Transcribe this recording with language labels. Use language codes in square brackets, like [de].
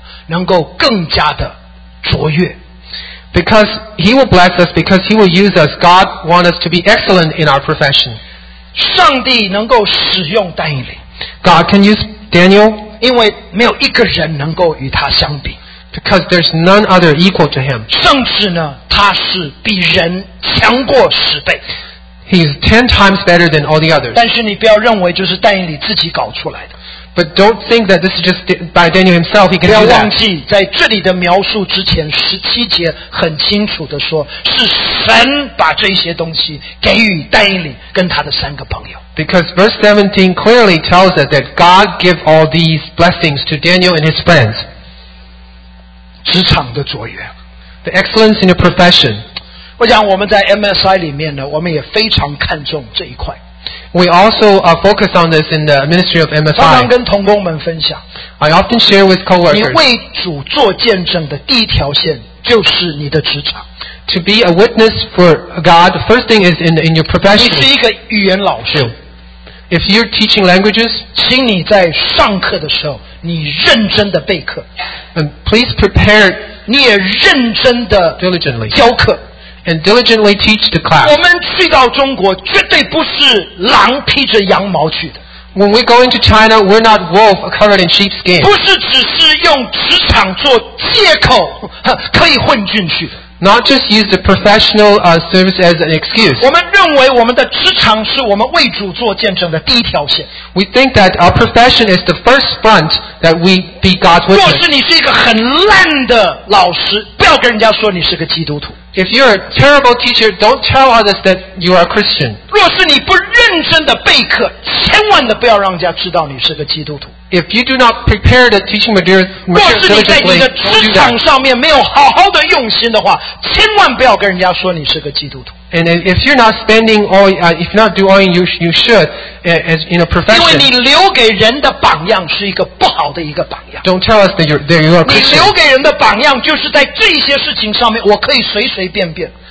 [zh] 上帝要我们在我们的职场上面，因为他的祝福，因为他的使用，让我们在职场上面呢，能够更加的卓越。 [en] Because He will bless us, because He will use us, God wants us to be excellent in our profession. [zh] 上帝能够使用但以理。 [en] God can use Daniel. [zh] 因为没有一个人能够与他相比。 [en] Because there's none other equal to him. [zh] 甚至呢, 他是比人强过十倍。 [en] He's 10 times better than all the others. [zh] 但是你不要认为就是但以理自己搞出来的。 [en] But don't think that this is just by Daniel himself. He can do that. [zh] 不要忘记, 在这里的描述之前, 17节很清楚地说, 是神把这些东西给予但以理跟他的三个朋友。 [en] Because verse 17 clearly tells us that God gave all these blessings to Daniel and his friends. [zh] 职场的卓越 [en] The excellence in your profession [zh] 我想我们在 MSI里面呢 我们也非常看重这一块 [en] We also focus on this in the ministry of MSI [zh] 常常跟同工们分享 [en] I often share with co-workers [zh] 你为主做见证的第一条线就是你的职场 [en] To be a witness for God the first thing is in your profession [zh] 你是一个语言老师 [en] If you're teaching languages [zh] 请你在上课的时候 你认真的备课 [en] And please prepare [zh] 你也认真的 [en] Diligently [zh] 教课 [en] And diligently teach the class [zh] 我们去到中国 绝对不是狼披着羊毛去的 [en] When we go into China We're not wolf covered in sheepskin [zh] 不是只是用职场做借口 可以混进去的 [en] Not just use the professional service as an excuse. [zh] 我们认为我们的职场是我们为主做见证的第一条线。 [en] We think that our profession is the first front that we be God's witness. [zh] 若是你是一个很烂的老师, 不要跟人家说你是个基督徒。 [en] If you're a terrible teacher, don't tell others that you are a Christian. [zh] 若是你不认真的备课, 千万的不要让人家知道你是个基督徒。 [en] If you do not prepare the teaching material diligently, don't do that. And if you're not spending all, if not do all you should, as in a profession, don't tell us that you are a Christian.